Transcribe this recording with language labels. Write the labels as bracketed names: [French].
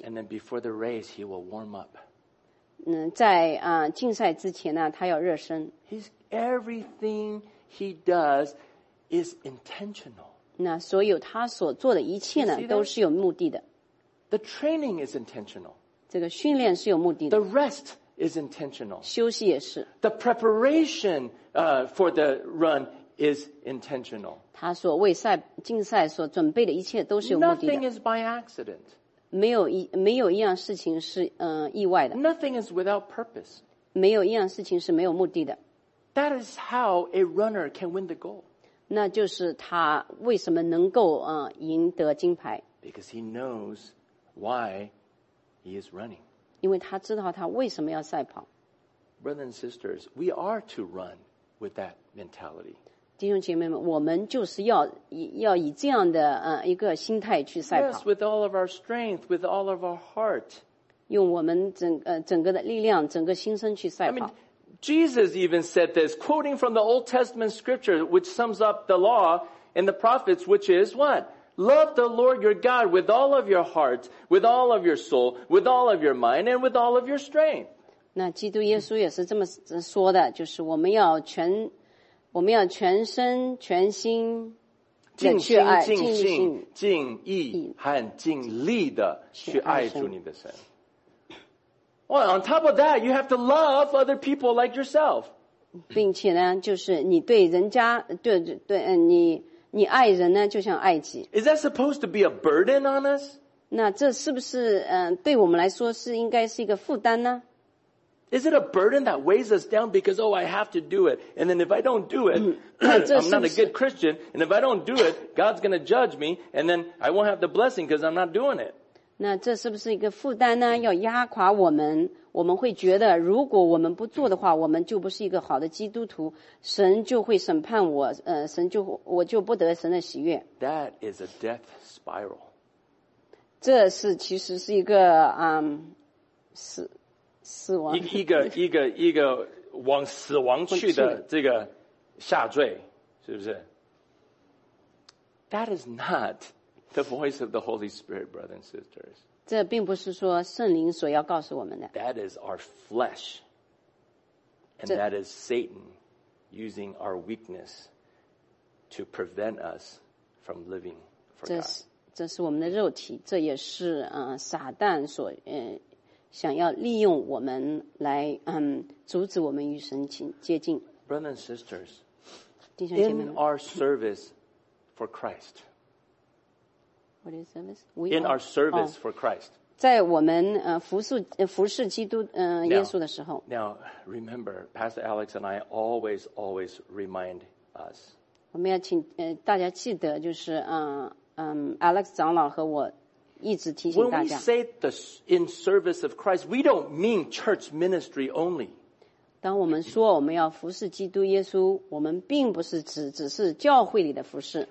[English] And then before the race, he will warm up. [Chinese] 在竞赛之前呢，他要热身。 [English] His everything he does is intentional. [Chinese] 那所有他所做的一切呢，都是有目的的。 [English] The training is intentional. [Chinese] 这个训练是有目的的。 [English] The rest is intentional. [Chinese] 休息也是。 [English] The preparation, for the run is intentional. [Chinese] 他所为赛竞赛所准备的一切都是有目的的。 [English] Nothing is by accident. [Chinese] 没有一样事情是意外的。 [English] Nothing is without purpose. [Chinese] 没有一样事情是没有目的的。 [English] That is how a runner can win the gold. [Chinese] 那就是他为什么能够赢得金牌 [English] ？Because he knows why he is running. [Chinese] 因为他知道他为什么要赛跑。 [English] Brothers and sisters, we are to run with that mentality. [Chinese] 弟兄姐妹们，我们就是要以这样的一个心态去赛跑。 [English] Yes, with all of our strength, with all of our heart. [Chinese] 用我们整个的力量，整个心身去赛跑。 [English] I mean,Jesus even said this, quoting from the Old Testament scripture, which sums up the law and the prophets, which is what? Love the Lord your God with all of your heart, with all of your soul, with all of your mind, and with all of your strength. [Chinese] 那基督耶稣也是这么说的，就是我们要全身全心的去爱，尽心尽意和尽力的去爱主你的神。 [English] Well, on top of that, you have to love other people like yourself. [Chinese] 并且呢，就是你对人家，对对，你爱人呢，就像爱己。 [English] Is that supposed to be a burden on us? [Chinese] 那这是不是对我们来说是应该是一个负担呢 [English] ？Is it a burden that weighs us down because oh, I have to do it, and then if I don't do it, [Chinese] 是 [English] I'm not a good Christian, and if I don't do it, God's going to judge me, and then I won't have the blessing because I'm not doing it. [Chinese] 那这是不是一个负担呢？要压垮我们，我们会觉得如果我们不做的话，我们就不是一个好的基督徒，神就会审判我，神就我就不得神的喜悦。 [English] That is a death spiral. [Chinese] 这是其实是一个死亡一个往死亡去的这个下坠，是不是？ [English] That is not the voice of the Holy Spirit, brothers and sisters. [Chinese] 这并不是说圣灵所要告诉我们的。 [English] That is our flesh. And that is Satan using our weakness to prevent us from living for God. [Chinese] 这是我们的肉体，这也是撒旦所想要利用我们来阻止我们与神接近。 [English] Brothers and sisters, [Chinese] 弟兄姐妹们, [English] in our service for Christ, what is service? In our service for Christ. [Chinese] 在我们服侍基督耶稣的时候。 [English] Now, remember, Pastor Alex and I always remind us. [Chinese] 我们要请大家记得，就是Alex 长老和我一直提醒大家。 [English] When we say the in service of Christ, we don't mean church ministry only. [Chinese] 当我们说我们要服侍基督耶稣，我们并不是只是教会里的服侍。